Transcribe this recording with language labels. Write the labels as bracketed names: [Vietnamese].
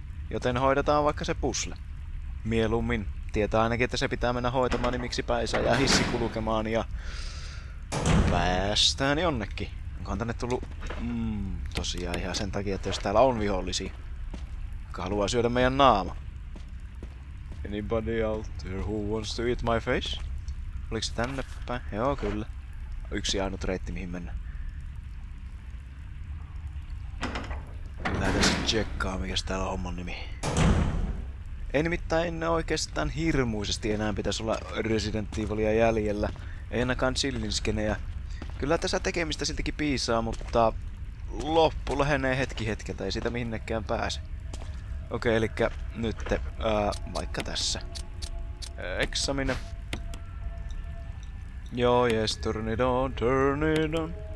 [Finnish] Joten hoidetaan vaikka se pusle. Mieluummin. Tietää ainakin, että se pitää mennä hoitamaan, niin miksipä ei saa jää hissi kulkemaan ja... Päästään jonnekin. Onkohan tänne tullut... tosiaan ihan sen takia, että jos täällä on vihollisia, jotka haluaa syödä meidän naama. [English] Anybody out there who wants to eat my face? [Finnish] Oliko se tänne päin? Joo, kyllä. Yksi ainut reitti, mihin mennä. Lähdetään sitten tsekkaa, mikäs täällä on homman nimi. Ei nimittäin oikeastaan hirmuisesti enää pitäisi olla Resident Evilia jäljellä. Ei ainakaan chillinskenejä. Kyllä tässä tekemistä siltikin piisaa, mutta loppu lähenee hetki hetkeltä, ei siitä minnekään pääse. Okei, elikkä nytte, vaikka tässä. [English] Examine. [Finnish] Joo, [English] yes, turn it on, turn it on.